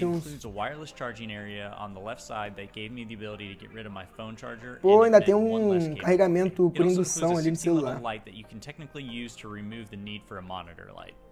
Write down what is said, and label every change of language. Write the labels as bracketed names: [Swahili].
[English] It includes a wireless charging area on the left side that gave me the ability to get rid of my phone charger. [Portuguese] Pô, ainda tem um carregamento por indução ali no celular. [English] Light that you can technically use to remove the need for a monitor light.